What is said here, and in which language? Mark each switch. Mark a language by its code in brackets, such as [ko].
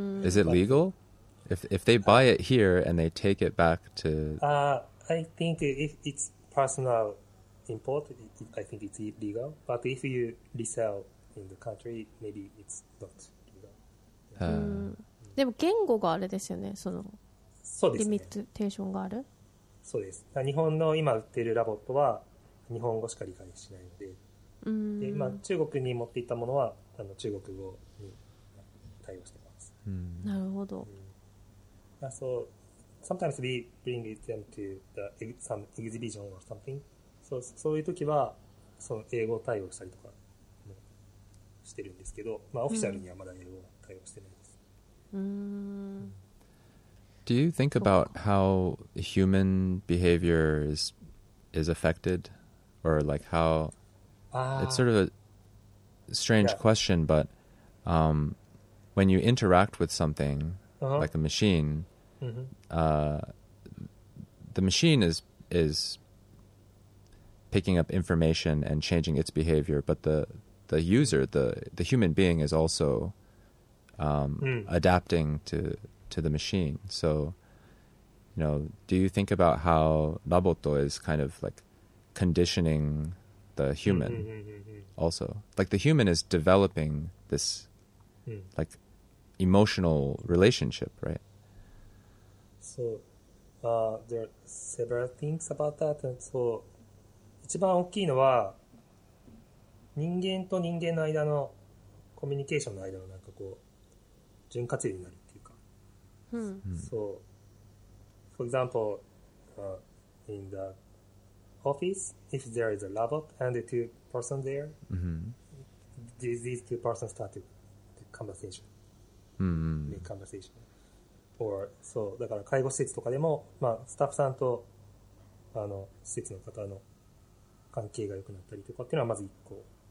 [en] Is it legal? If they buy it here and they take it back to... I think if it's personal import, I think it's illegal. But if you resell in the country, maybe it's not legal. [ja] でも言語があれですよね、その。そうですね。リミテーションがある。そうです。日本の今売っているラボットは日本語しか理解しないので、で今中国に持っていたものはあの中国語に対応しています。なるほど。 [en] So sometimes we bring them to the some exhibition or something. [ja] So, そういう時はその英語対応したりとかもしてるんですけど、まあ、オフィシャルにはまだ英語対応してないです。 [en] Do you think about how human behavior is affected, or like how it's sort of a strange question, but when you interact with something like a machine, the machine is picking up information and changing its behavior, but the user, the human being, is also adapting to the machine. So, you know, do you think about how Roboto is kind of like conditioning the human also? Like the human is developing this like emotional relationship, right? So there are several things about that. And so [ja] 一番大きいのは人間と人間の間のコミュニケーションの間のなんかこう潤滑油になるっていうか。 [en] So, for example, in the office, if there is a robot and the two person there, these two persons start the conversation. The conversation. [ja] Or, so, だから介護施設とかでも、まあ、スタッフさんと、あの、施設の方の関係が良くなったりとかっていうのはまず一個。